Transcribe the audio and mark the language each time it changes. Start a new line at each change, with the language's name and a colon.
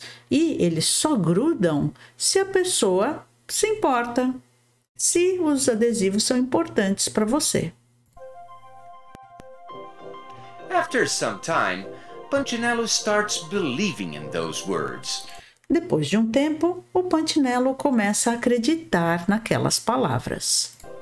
Portuguese: E eles só grudam se a pessoa se importa, se os adesivos são importantes para você.
English: After some time, Punchinello starts believing in those words.
Portuguese: Depois de um tempo, o Punchinello começa a acreditar naquelas palavras.